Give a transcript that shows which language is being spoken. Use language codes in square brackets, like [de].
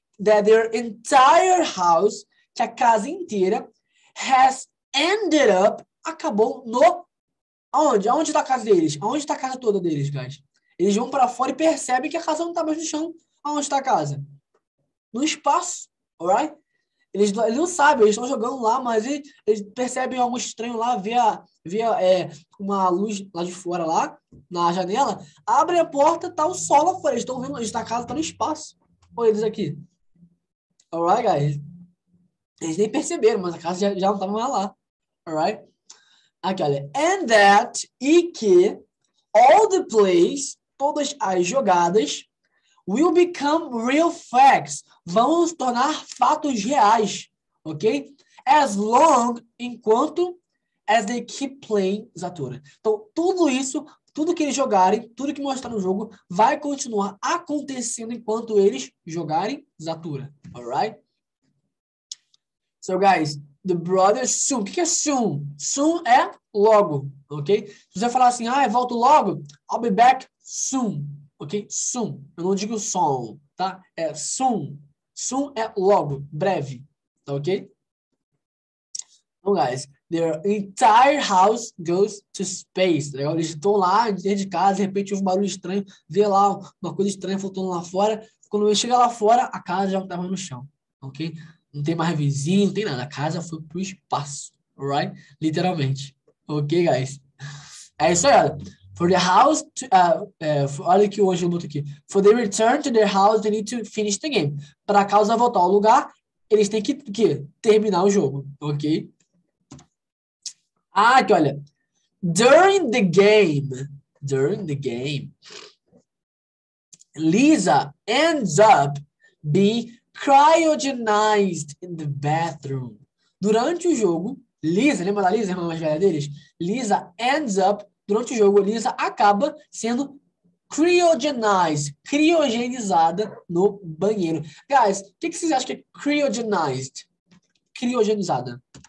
[en] That their entire house, [pt] que a casa inteira, [en] has ended up, [pt] acabou no. Aonde? Aonde está a casa deles? Aonde está a casa toda deles, guys? Eles vão para fora e percebem que a casa não está mais no chão. Aonde está a casa? No espaço, alright? Eles não sabem, eles estão jogando lá, mas eles percebem algo estranho lá, via uma luz lá de fora, lá na janela. Abre a porta, tá o sol lá fora. Eles estão vendo, eles, a casa tá no espaço. Olha eles aqui. Alright, guys. Eles nem perceberam, mas a casa já não tava mais lá. Alright? Aqui, olha. [en] And that, [pt] e que, [en] all the plays, [pt] todas as jogadas, [en] will become real facts. [pt] Vão se tornar fatos reais. Ok? [en] As long, [pt] enquanto, [en] as they keep playing, Zatura. [pt] Então, tudo isso, tudo que eles jogarem, tudo que mostrar no jogo, vai continuar acontecendo enquanto eles jogarem, Zatura. Alright? [en] So, guys, the brothers soon. [pt] O que é soon? Soon é logo, ok? Se você falar assim, ah, eu volto logo, [en] I'll be back soon, [pt] ok? Soon. Eu não digo song, tá? É soon. Soon é logo, breve, tá ok? [en] Então, guys, their entire house goes to space. [pt] Tá, eles estão lá dentro de casa, de repente, ouve um barulho estranho, vê lá uma coisa estranha flutuando lá fora. Quando ele chega lá fora, a casa já não tá mais no chão, ok? Não tem mais vizinho, não tem nada. A casa foi pro espaço, right? Literalmente. Ok, guys? É isso aí, olha. [en] For the house to, [pt] olha aqui o anjo luto aqui. [en] For the return to their house, they need to finish the game. [pt] Para a casa voltar ao lugar, eles têm que terminar o jogo, ok? Ah, aqui, olha. [en] During the game, Lisa ends up being cryogenized in the bathroom. [pt] Durante o jogo, Lisa, lembra da Lisa, a irmã mais velha deles? [en] Lisa ends up, [pt] durante o jogo, Lisa acaba sendo cryogenized, criogenizada no banheiro. Guys, o que que vocês acham que é cryogenized? Criogenizada.